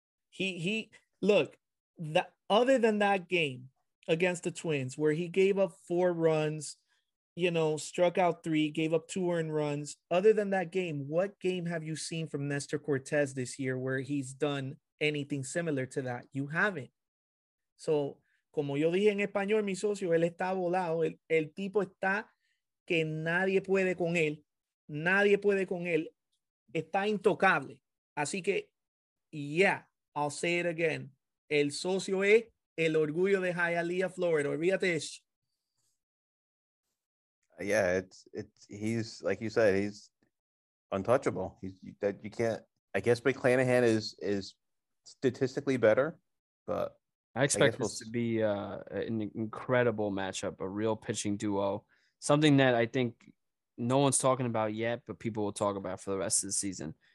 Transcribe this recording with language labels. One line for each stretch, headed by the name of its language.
English: He look, other than that game against the Twins, where he gave up 4 runs, you know, struck out 3, gave up 2 earned runs. Other than that game, what game have you seen from Nestor Cortes this year where he's done anything similar to that? You haven't.
Spanish: So, como yo dije en español, mi socio, él está volado. El tipo está que nadie puede con él. Nadie puede con él. Está intocable. Así que,
English: yeah, I'll say it again.
Spanish: El socio es el orgullo de Hialeah, Florida. Olvídate eso.
English: Yeah, it's he's like you said, he's untouchable. I guess McClanahan is statistically better, but I expect this to be an incredible matchup, a real pitching duo, something that I think no one's talking about yet, but people will talk about for the rest of the season.